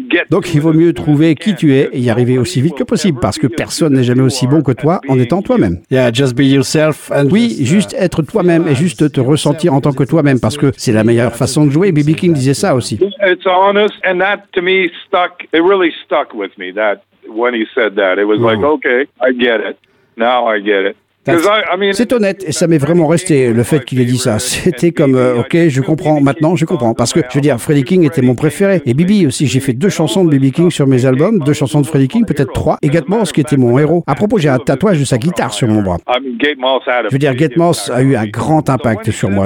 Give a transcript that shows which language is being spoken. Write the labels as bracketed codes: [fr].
[fr] Donc il vaut mieux trouver qui tu es et y arriver aussi vite que possible, parce que personne n'est jamais aussi bon que toi en étant toi-même. Oui, juste être toi-même et juste te ressentir en tant que toi-même, parce que c'est la meilleure façon de jouer. B.B. King disait ça aussi. [en] It's honest, and that to me stuck. It really stuck with me that when he said that, it was like, okay, I get it. Now I get it. [fr] C'est honnête et ça m'est vraiment resté, le fait qu'il ait dit ça. C'était comme, ok, je comprends, maintenant je comprends. Parce que, je veux dire, Freddie King était mon préféré. Et B.B. aussi, j'ai fait deux chansons de B.B. King sur mes albums, deux chansons de Freddie King, peut-être trois. Et Gate Moss, qui était mon héros. À propos, j'ai un tatouage de sa guitare sur mon bras. Je veux dire, Gate Moss a eu un grand impact sur moi.